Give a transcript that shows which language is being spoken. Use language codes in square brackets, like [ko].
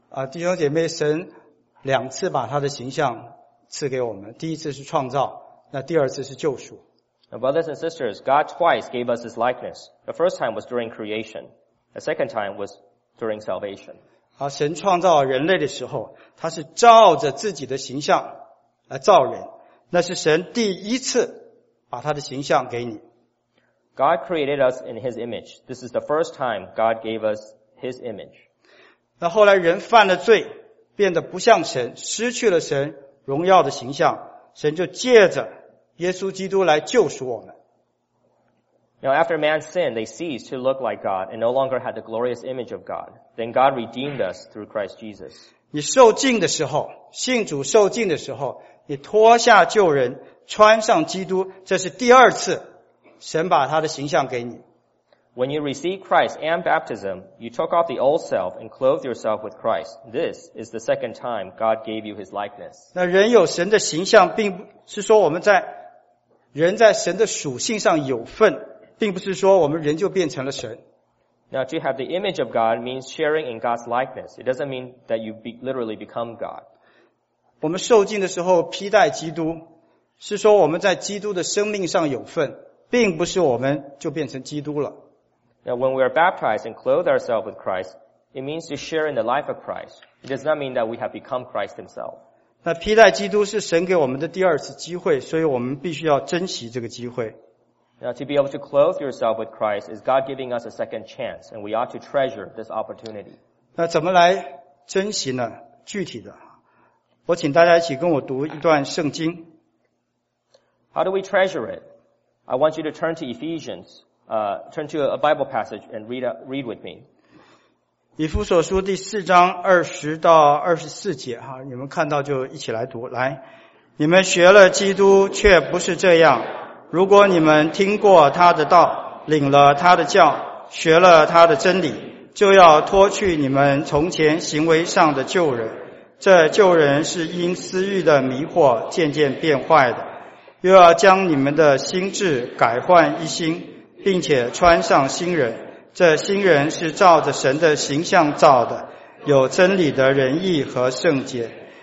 [zh] 弟兄姐妹，神两次把他的形象赐给我们，第一次是创造，那第二次是救赎。 [en] Now, brothers and sisters, God twice gave us his likeness. The first time was during creation. The second time was during salvation. [zh] 神创造人类的时候，他是照着自己的形象来造人。那是神第一次把他的形象给你。 [en] God created us in his image. This is the first time God gave us his image. [zh] 那后来人犯了罪，变得不像神，失去了神荣耀的形象，神就借着耶稣基督来救赎我们。 [en] Now after man's sin, they ceased to look like God and no longer had the glorious image of God. Then God redeemed us through Christ Jesus. [zh] 你受浸的时候，信主受浸的时候，你脱下旧人，穿上基督，这是第二次神把他的形象给你。 [en] When you receive Christ and baptism, you took off the old self and clothed yourself with Christ. This is the second time God gave you his likeness. [zh] 那人有神的形象，并不是说我们在人在神的属性上有份，并不是说我们人就变成了神。 [en] Now to have the image of God means sharing in God's likeness. It doesn't mean that you literally become God. [zh] 我们受浸的时候披戴基督，是说我们在基督的生命上有份，并不是我们就变成基督了。 [en] Now when we are baptized and clothe ourselves with Christ, it means to share in the life of Christ. It does not mean that we have become Christ himself. [zh] 那披戴基督是神给我们的第二次机会，所以我们必须要珍惜这个机会。 [en] Now, to be able to clothe yourself with Christ is God giving us a second chance, and we ought to treasure this opportunity. [zh] 那怎么来珍惜呢？具体的，我请大家一起跟我读一段圣经。 [en] How do we treasure it? I want you to turn to Ephesians, turn to a Bible passage and read with me. [zh] 以弗所书第四章二十到二十四节，你们看到就一起来读。来，你们学了基督却不是这样，如果你们听过他的道，领了他的教，学了他的真理，就要脱去你们从前行为上的旧人，这旧人是因私欲的迷惑渐渐变坏的，又要将你们的心智改换一新，并且穿上新人，这新人是照着神的形象造的，有真理的仁义和圣洁。